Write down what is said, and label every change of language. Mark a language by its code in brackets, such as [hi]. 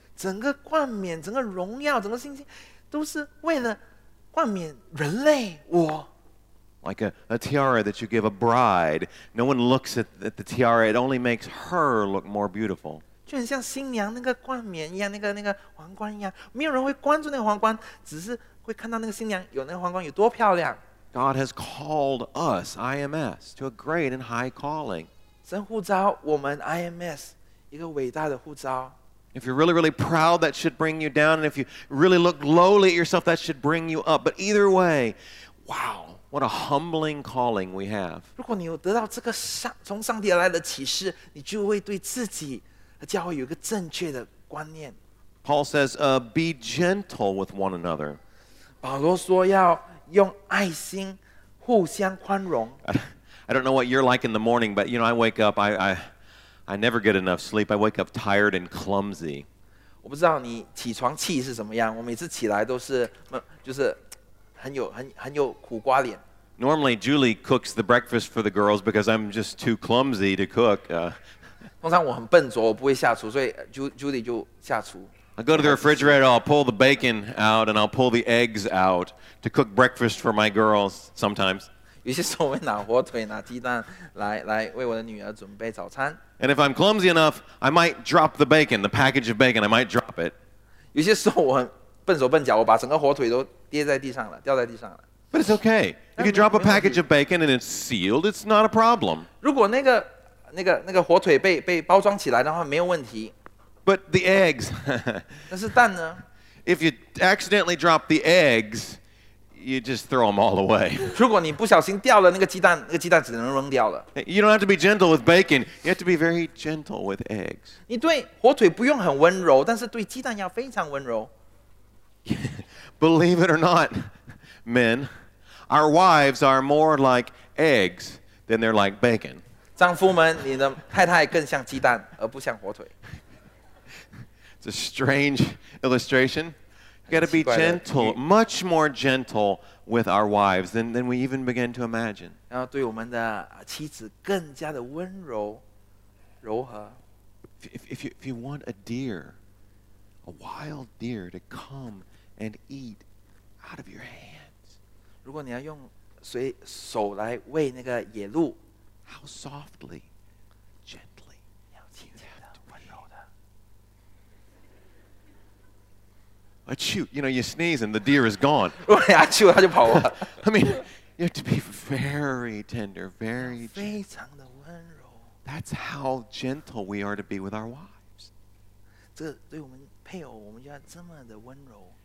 [zh] 整个冠冕、整个荣耀、整个星星，都是为了冠冕人类我。 [en] Like a tiara that you give a bride, no one looks at the tiara; it only makes her look more beautiful. [zh] 就很像新娘那个冠冕一样，那个皇冠一样，没有人会关注那个皇冠，只是。会看到那个新娘有那个皇冠有多漂亮。 [en] God has called us, IMS, to a great and high calling. [zh] 神呼召我们 IMS 一个伟大的呼召。 [en] If you're really, really proud, that should bring you down. And if you really look lowly at yourself, that should bring you up. But either way, wow, what a humbling calling we have. [zh] 如果你有得到这个从上帝而来的启示，你就会对自己和教会有一个正确的观念。 [en] Paul says, be gentle with one another. [zh] 保罗说要用爱心互相宽容。 [en] I don't know what you're like in the morning, but you know, I wake up, I never get enough sleep. I wake up tired and clumsy. [zh] 我不知道你起床气是怎么样，我每次起来都是，就是很有苦瓜脸。 [en] Normally, Julie cooks the breakfast for the girls because I'm just too clumsy to cook. [zh] 通常我很笨拙，我不会下厨，所以 Julie 就下厨。 [en] I go to the refrigerator, I'll pull the bacon out, and I'll pull the eggs out to cook breakfast for my girls sometimes. [zh] 有些时候会拿火腿、拿鸡蛋来为我的女儿准备早餐。 [en] And if I'm clumsy enough, I might drop the bacon, the package of bacon, I might drop it. [zh] 有些时候我很笨手笨脚，我把整个火腿都跌在地上了，掉在地上了。 [en] But it's okay. If you drop a package of bacon and it's sealed, it's not a problem. [zh] 如果那个火腿被包装起来的话，没有问题。 [en] But the eggs. [zh] 但是蛋呢? [en] If you accidentally drop the eggs, you just throw them all away. [zh] 如果你不小心掉了那个鸡蛋，那个鸡蛋只能扔掉了。 [en] You don't have to be gentle with bacon. You have to be very gentle with eggs. [zh] 你对火腿不用很温柔，但是对鸡蛋要非常温柔。 [en] Believe it or not, men, our wives are more like eggs than they're like bacon. [zh] 丈夫们，你的太太更像鸡蛋，而不像火腿。 [en] It's a strange illustration. You've got to be gentle, much more gentle with our wives than we even begin to imagine. [zh] 要对我们的妻子更加的温柔、柔和。 [en] If if you want a deer, a wild deer to come and eat out of your hands, [zh] 如果你要用手来喂那个野鹿, [en] how softly, gently, [zh] 你要轻轻的, 温柔的。 [en] Achoo, you know, you sneeze and the deer is gone. [zh] 如果你achoo, 他就跑了。 [en] I mean, you have to be very tender, very gentle. [zh] 非常的温柔。 [en] That's how gentle we are to be with our wives. [zh] 这对我们配偶，我们就要这么的温柔。